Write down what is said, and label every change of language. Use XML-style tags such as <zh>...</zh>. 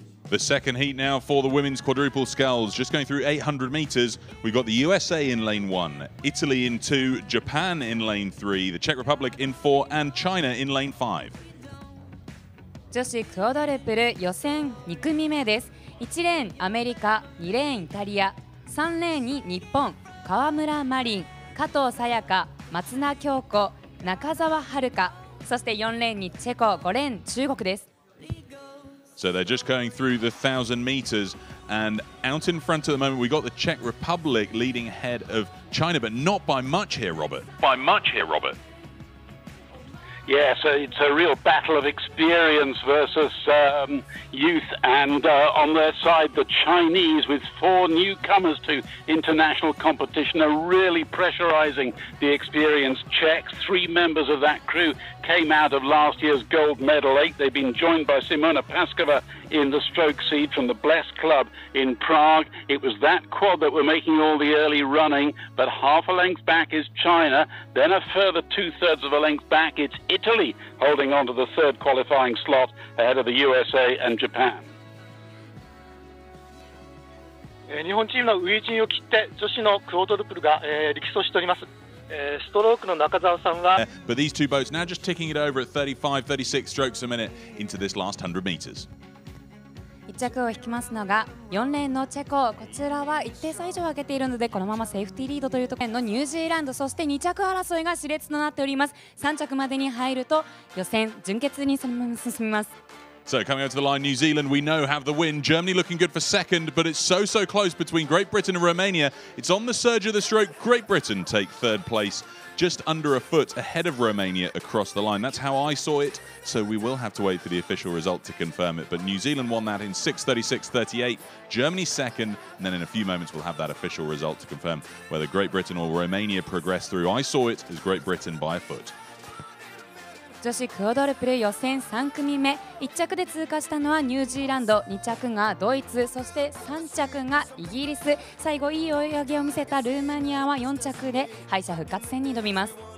<en>The second heat now for the women's quadruple sculls, just going through 800 metres. We've got the USA in lane one, Italy in two, Japan in lane three, the Czech Republic in four, and China in lane five.</en> <ja>女子クオドルプル予選2組目です。1レーンアメリカ、2レーンイタリア、3レーンに日本、川村麻鈴、加藤沙耶香、松田恭子、中澤遥香、そして4レーンにチェコ、5レーン中国です。</ja> <en>So they're just going through the 1000 meters and out in front at the moment we got the Czech Republic leading ahead of China, but not by much here, Robert. By much here, Robert. Yeah, so it's a real battle of experience versus youth and on their side the Chinese with four newcomers to international competition are really pressurizing the experienced Czechs. Three members of that crew came out of last year's gold medal eight. They've been joined by Simona Paskova in the stroke seat from the Bless Club in Prague. It was that quad that were making all the early running, but half a length back is China. Then a further two-thirds of a length back, it's Italy holding on to the third qualifying slot ahead of the USA and Japan.</en> <ja>日本チームの初陣を切って女子のクォートルプルが力走しております。ストロークの中澤さんは</ja> <en>But these two boats now just ticking it over at 35, 36 strokes a minute into this last 100 meters.</en> <ja>一着を引きますのが4レーンのチェコ。こちらは一定差以上上げているのでこのままセーフティーリードというところのニュージーランド。そして2着争いが熾烈となっております。3着までに入ると予選準決にそのまま進みます。</ja> <en>So coming out to the line, New Zealand, we know have the win. Germany looking good for second, but it's so, so close between Great Britain and Romania. It's on the surge of the stroke. Great Britain take third place, just under a foot ahead of Romania across the line. That's how I saw it. So we will have to wait for the official result to confirm it. But New Zealand won that in 6:36.38. Germany second. And then in a few moments, we'll have that official result to confirm whether Great Britain or Romania progressed through. I saw it as Great Britain by a foot.</en> <ja>女子クォドルプル予選3組目1着で通過したのはニュージーランド2着がドイツそして3着がイギリス最後いい追い上げを見せたルーマニアは4着で敗者復活戦に挑みます</ja>